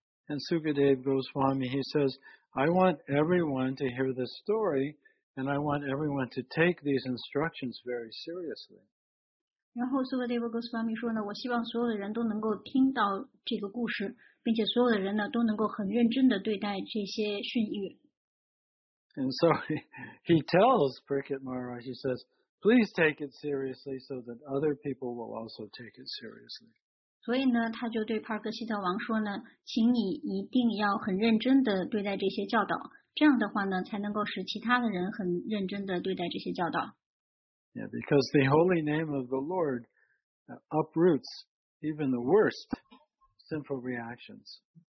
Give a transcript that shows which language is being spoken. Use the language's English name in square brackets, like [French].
[English] And Sukadeva Goswami, he says, I want everyone to hear this story, and I want everyone to take these instructions very seriously. [Chinese] 然后苏格德伯格斯巴米说呢，我希望所有的人都能够听到这个故事，并且所有的人呢都能够很认真地对待这些训谕。 [English] And so he tells Parikshit Maharaj, he says, please take it seriously so that other people will also take it seriously. [Chinese] 所以呢，他就对帕格西特王说呢，请你一定要很认真地对待这些教导，这样的话呢，才能够使其他的人很认真地对待这些教导。 [English] Yeah, because the holy name of the Lord uproots even the worst sinful reactions.